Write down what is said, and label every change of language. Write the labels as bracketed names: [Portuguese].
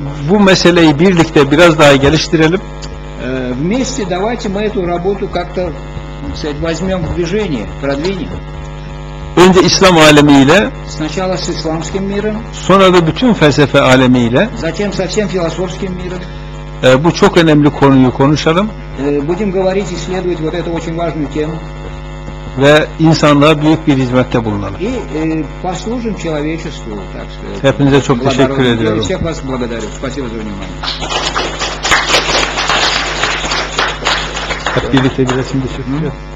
[Turkish] bu meseleyi birlikte biraz daha geliştirelim. [Russian] Вместе давайте мы эту работу как-то возьмем в движение, продвинем. [Turkish] Önce İslam alemiyle, [Russian] сначала с исламским миром, [Turkish] sonra da bütün felsefe alemiyle, [Russian] затем со всем философским миром. [Turkish] Bu çok önemli konuyu konuşalım. [Russian] Будем говорить, исследовать вот эту очень важную тему. [Turkish] Ve insanlığa büyük bir hizmette bulunalım. [Russian] И послужим человечеству, так сказать. [Turkish] Hepinize çok teşekkür ediyorum. [Russian] Всех вас благодарю. Спасибо за внимание. [Turkish] Hep birlikte bir resim de çıkıyor.